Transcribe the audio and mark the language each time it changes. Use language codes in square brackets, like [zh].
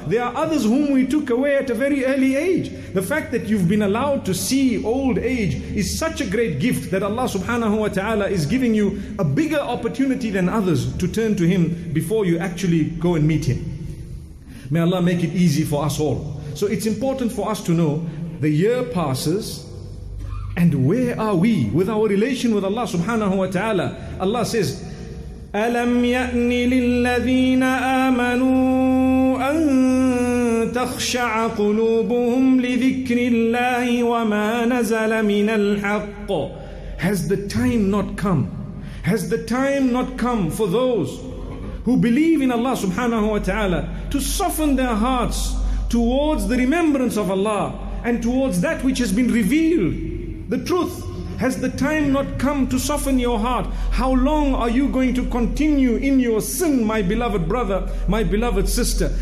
[en] There are others whom we took away at a very early age. The fact that you've been allowed to see old age is such a great gift that Allah subhanahu wa ta'ala is giving you a bigger opportunity than others to turn to Him before you actually go and meet Him. May Allah make it easy for us all. So it's important for us to know, the year passes, and where are we with our relation with Allah subhanahu wa ta'ala? Allah says, [ar] أَلَمْ يَأْنِ لِلَّذِينَ آمَنُوا أَن تَخْشَعَ قُلُوبُهُمْ لِذِكْرِ اللَّهِ وَمَا نَزَلَ مِنَ الْحَقِّ. [en] Has the time not come? Has the time not come for those who believe in Allah subhanahu wa ta'ala to soften their hearts towards the remembrance of Allah and towards that which has been revealed, the truth? Has the time not come to soften your heart? How long are you going to continue in your sin, my beloved brother, my beloved sister?